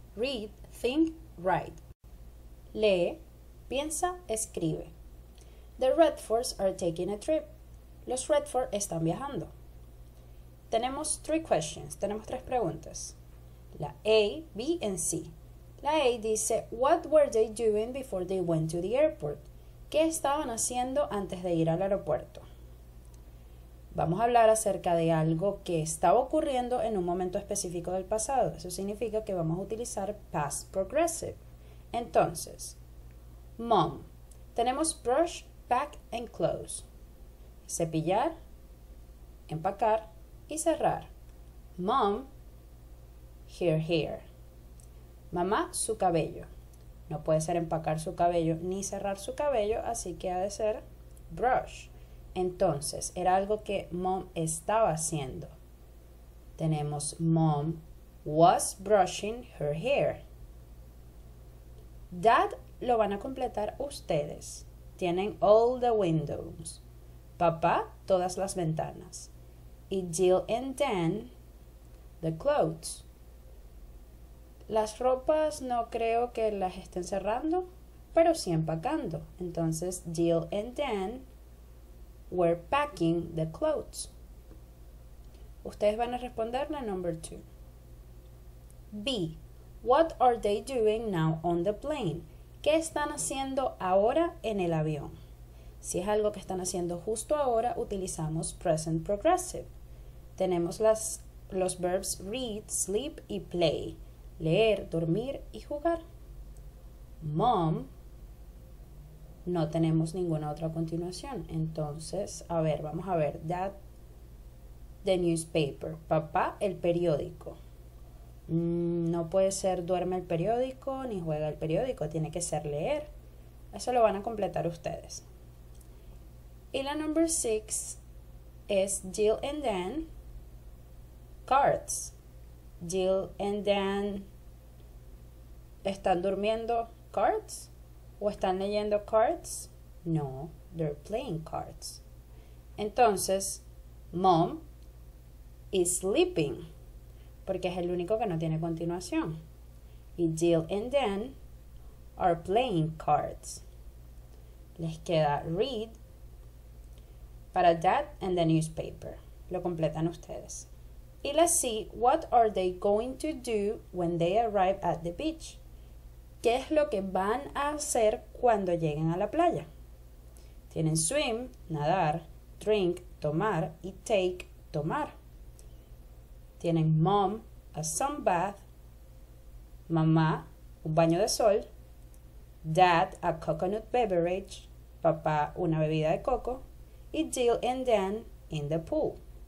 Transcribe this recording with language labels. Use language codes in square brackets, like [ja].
[en] Read, think, write. [es] Lee, piensa, escribe. [en] The Redfords are taking a trip. [es] Los Redford están viajando. Tenemos 3 questions. Tenemos 3 preguntas. La A, B and C. La A dice, [en] what were they doing before they went to the airport? [es] ¿Qué estaban haciendo antes de ir al aeropuerto? Vamos a hablar acerca de algo que estaba ocurriendo en un momento específico del pasado. Eso significa que vamos a utilizar past progressive. Entonces, mom, tenemos [en] brush, pack and close. [es] Cepillar, empacar y cerrar. [en] Mom, her hair. [es] Mamá, su cabello. No puede ser empacar su cabello ni cerrar su cabello, así que ha de ser brush. Entonces, era algo que mom estaba haciendo. [en] Tenemos mom was brushing her hair. [es] Dad lo van a completar ustedes. Tienen [en] all the windows. [es] Papá, todas las ventanas. Y Jill and Dan, [en] the clothes. [es] Las ropas no creo que las estén cerrando, pero sí empacando. [en] Entonces, Jill and Dan were packing the clothes. [es] Ustedes van a responder la number 2. B. [en] What are they doing now on the plane? [es] ¿Qué están haciendo ahora en el avión? Si es algo que están haciendo justo ahora, utilizamos present progressive. Tenemos los verbs read, sleep y play. Leer, dormir y jugar. Mom. No tenemos ninguna otra continuación. Entonces, a ver, vamos a ver. [en] Dad, the newspaper. [es] Papá, el periódico. No puede ser duerme el periódico ni juega el periódico, tiene que ser leer. Eso lo van a completar ustedes. Y la [en] number six es Jill and Dan Cards. [es] Jill and Dan están durmiendo cards o están leyendo cards. [en] No, they're playing cards. [es] Entonces, [en] Mom is sleeping, [es] porque es el único que no tiene continuación. [en] Y Jill and Dan are playing cards. [es] Les queda read para [en] Dad and the newspaper. [es] Lo completan ustedes. Y la C, [en] what are they going to do when they arrive at the beach? [es] ¿Qué es lo que van a hacer cuando lleguen a la playa? Tienen swim, nadar, drink, tomar y take, tomar. Tienen mom, [en] a sun bath, [es] mamá, un baño de sol, dad, [en] a coconut beverage, [es] papá, una bebida de coco, y Jill and Dan [en] in the pool.